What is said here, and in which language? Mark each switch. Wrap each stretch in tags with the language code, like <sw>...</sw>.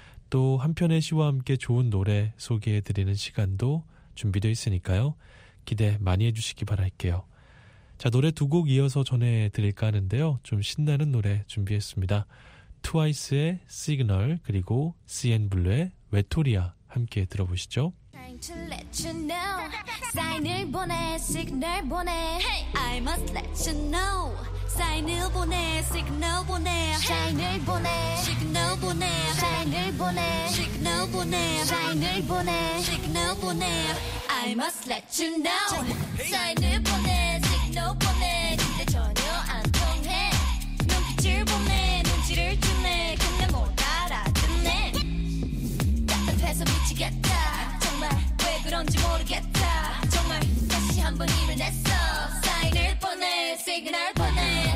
<ko>또 한 편의 시와 함께 좋은 노래 소개해드리는 시간도 준비되어 있으니까요. 기대 많이 해주시기 바랄게요. 자, 노래 두 곡 이어서 전해드릴까 하는데요. 좀 신나는 노래 준비했습니다. 트와이스의 시그널, 그리고 CNBLUE의 외톨이야 함께 들어보시죠.</ko> <en>To let you know,</en> <ko>sign을 보내, signal 보내.</ko> <en>Hey, I must let you know,</en> <ko>sign을 보내, signal 보내. Sign을 보내, signal 보내. Sign을 보내, signal 보내. Sign을 보내, signal 보내.</ko> <en>I must let you know,</en> <ko>sign을 보내, signal 보내. 근데 전혀 안 통해. 눈빛을 보내, 눈치를 주네. 근데 못 알아듣네. 답답해서 미치겠다. 그런지 모르겠다. 정말 다시 한번 힘을 냈어. 사인을 보내, 시그널 보내.</ko>